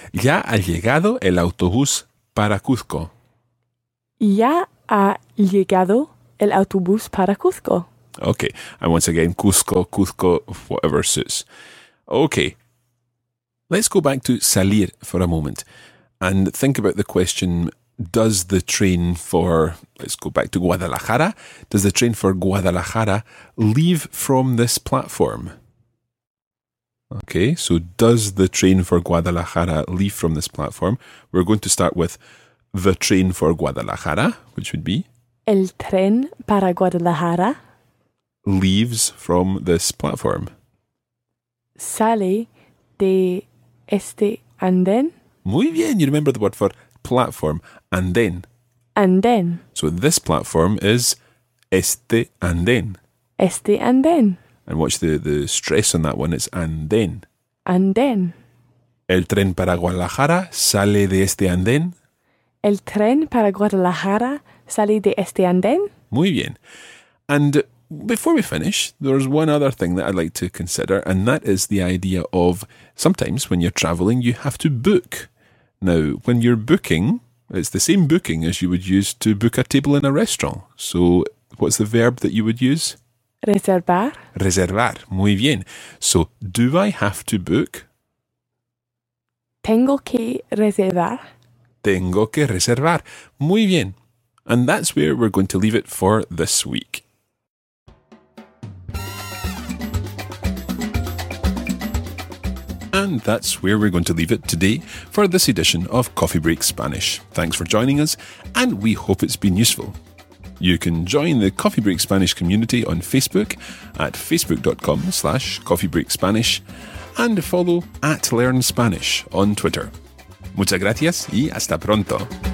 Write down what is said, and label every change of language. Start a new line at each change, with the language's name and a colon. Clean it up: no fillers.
Spanish: Ya ha llegado el autobús para Cusco. Ya ha llegado el autobús para Cusco.
English: Okay. And once again, Cusco, Cusco, whatever suits. Okay. Let's go back to salir for a moment and think about the question, does the train for, let's go back to Guadalajara, does the train for Guadalajara leave from this platform? Okay, so does the train for Guadalajara leave from this platform? We're going to start with the train for Guadalajara, which would be?
Spanish: El tren para Guadalajara.
English: Leaves from this platform.
Spanish: Sale de este andén. Muy bien,
English: you remember the word for platform, andén.
Spanish: Andén.
English: So this platform is
Spanish: este andén. Este andén.
English: And watch the stress on that one. It's andén.
Spanish: Andén. El tren para Guadalajara sale de este andén. El tren para Guadalajara sale de este andén. Muy bien.
English: And before we finish, there's one other thing that I'd like to consider, and that is the idea of sometimes when you're traveling, you have to book. Now, when you're booking, it's the same booking as you would use to book a table in a restaurant. So what's the verb that you would use?
Spanish: Reservar. Reservar. Muy bien.
English: So, do I have to book?
Spanish: Tengo que reservar. Tengo que reservar. Muy bien.
English: And that's where we're going to leave it for this week. And that's where we're going to leave it today for this edition of Coffee Break Spanish. Thanks for joining us, and we hope it's been useful. You can join the Coffee Break Spanish community on Facebook at facebook.com/coffeebreakspanish and follow at Learn Spanish on Twitter.
Spanish: Muchas gracias y hasta pronto.